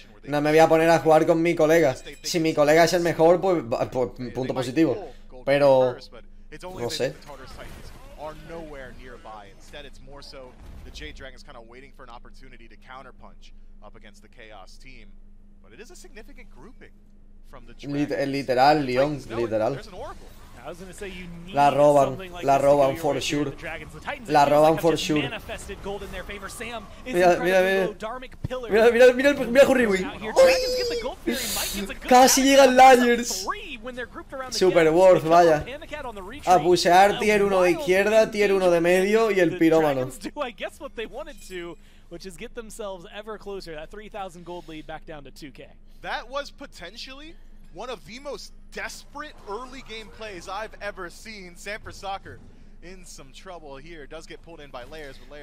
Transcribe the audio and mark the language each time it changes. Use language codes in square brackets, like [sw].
[es] No me voy a poner a jugar con mi colega. Si mi colega es el mejor, pues punto positivo. Pero no sé. [en] The Jade Dragons kind of waiting for an opportunity to counterpunch up against the Chaos team. But it is a significant grouping. [es] Literal, Leon, literal. La roban, [en] for sure. [es] La roban, for sure. Mira, Jurriwi. Casi llegan Liars. Super Worth, vaya. A pusear tier 1 de izquierda, tier 1 de medio y el pirómano. [en] Which is get themselves ever closer, that 3,000 gold lead back down to 2K. That was potentially one of the most desperate early game plays I've ever seen. Sanford Soccer in some trouble here. Does get pulled in by Layers, but Layers...